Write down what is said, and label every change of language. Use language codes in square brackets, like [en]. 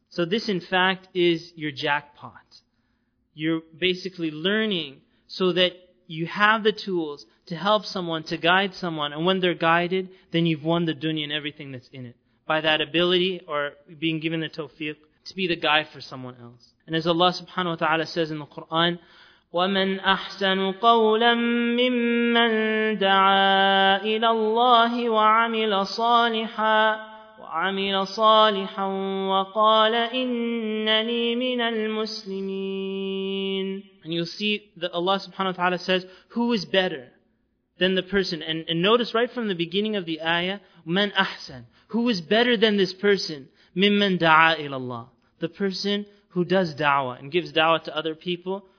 [en] So this, in fact, is your jackpot. You're basically learning so that you have the tools to help someone, to guide someone, and when they're guided, then you've won the dunya and everything that's in it. By that ability, or being given the tawfiq, to be the guide for someone else. And as Allah subhanahu wa ta'ala says in the Qur'an, [ar] وَمَنْ أَحْسَنُ قَوْلًا مِّمَّنْ دَعَى إِلَى اللَّهِ وَعَمِلَ صَالِحًا وَعَمِلَ صَالِحًا وَقَالَ إِنَّنِي مِنَ الْمُسْلِمِينَ. [en] And you'll see that Allah subhanahu wa ta'ala says, who is better than the person? And notice right from the beginning of the ayah, [ar] مَنْ أَحْسَن. [en] Who is better than this person? [ar] مِمَّنْ دَعَى إِلَى اللَّهِ. [en] The person who does da'wah and gives da'wah to other people.